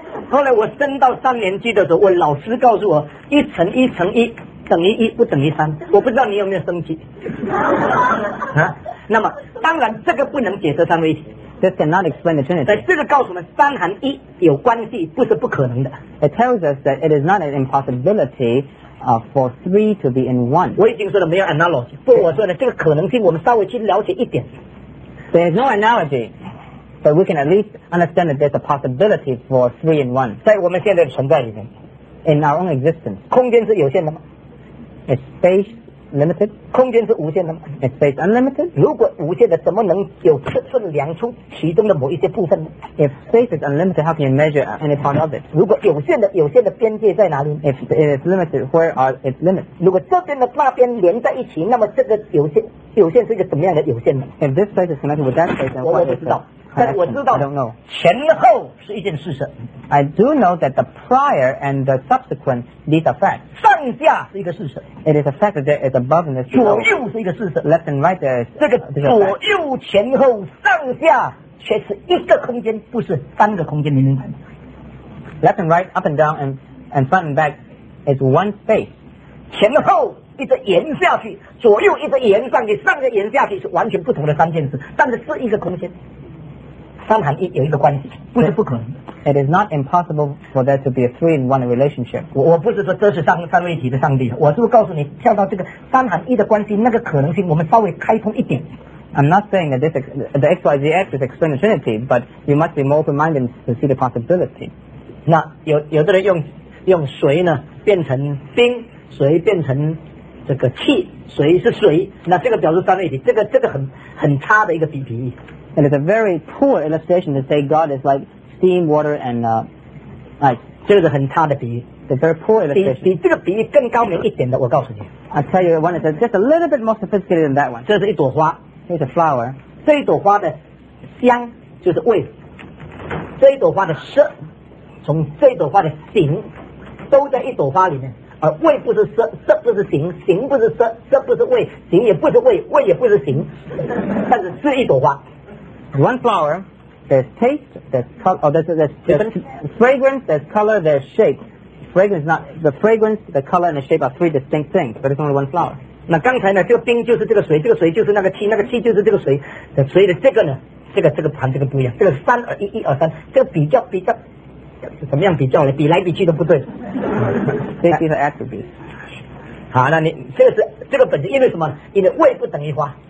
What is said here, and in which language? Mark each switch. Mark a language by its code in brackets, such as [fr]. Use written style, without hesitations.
[zh] 后来我升到三年级的时候，我老师告诉我，一乘一乘一等于一，不等于三。我不知道你有没有升级。那么，当然这个不能解释三位一体。 [en] This cannot explain the Trinity. [zh] 这个告诉我们三含一有关系不是不可能的。 [en] It tells us that it is not an impossibility for three to be in one. [zh] 我已经说了没有 analogy. 不过我说呢这个可能性我们稍微去了解一点。 [en] There is no analogy, but we can at least understand that there's a possibility for three in one. [zh] 在我们现在的存在里面。 [en] In our own existence. [zh] 空间是有限的吗？ [en] Is space limited? [zh] 空间是无限的吗？ [en] Is space unlimited? [zh] 如果无限的怎么能有尺寸量出其中的某一些部分呢？ [en] If space is unlimited, how can you measure any part of it? [zh] 如果有限的，有限的边界在哪里？ [en] If it is limited, where are its limits? [zh] 如果这边的那边连在一起，那么这个有限是一个怎么样的有限呢？ [en] If this space is connected with that space, then what is it? [zh] 但我知道 [en] I don't know. [zh] 前后是一件事实。 [en] I do know that the prior and the subsequent, these are facts. [zh] 上下是一个事实。 [en] It is a fact that there is above and below. [zh] 左右是一个事实。 [en] Left and right, there is. [zh] 这个左右前后上下却是一个空间，不是三个空间，你明白吗？ [en] Left and right, up and down, and front and back is one space. [zh] 前后一直延下去，左右一直延上去，上下延下去是完全不同的三件事，但是是一个空间。三含一有一个关系，不是不可能。 [en] It is not impossible for there to be a three-in-one relationship. [zh] 我不是说这是三位一体的上帝，我是不是告诉你跳到这个三含一的关系那个可能性，我们稍微开通一点。 [en] I'm not saying that the XYZX is explaining the Trinity, but you must be more open-minded to see the possibility. [zh] 那有的人用水呢变成冰，水变成这个气，水是水，那这个表示三位一体，这个很差的一个比喻。 [en] And it's a very poor illustration to say God is like steam, water, and ice. [zh] 这是很差的比喻。 [en] It's a very poor illustration. [zh] 比这个比喻更高明一点的，我告诉你。 [en] I tell you one that's just a little bit more sophisticated than that one. [zh] 这是一朵花。 [en] It's a flower. [zh] 这一朵花的香就是味。这一朵花的色，从这一朵花的形，都在一朵花里面。而味不是色，色不是形，形不是色，色不是味，形也不是味，味也不是形，但是是一朵花。 [en] One flower, there's taste, there's color, there's fragrance, there's color, there's shape. Fragrance, the color and the shape are three distinct things, but it's only one flower. [zh] 那刚才呢，这个冰就是这个水，这个水就是那个气，那个气就是这个水。所以的这个呢，这个盘这个不一样，这个三二一，一二三，这个比较，怎么样比较呢？比来比去都不对。 [en] These are attributes. [zh] 好，那你这个本质因为什么？因为味不等于花。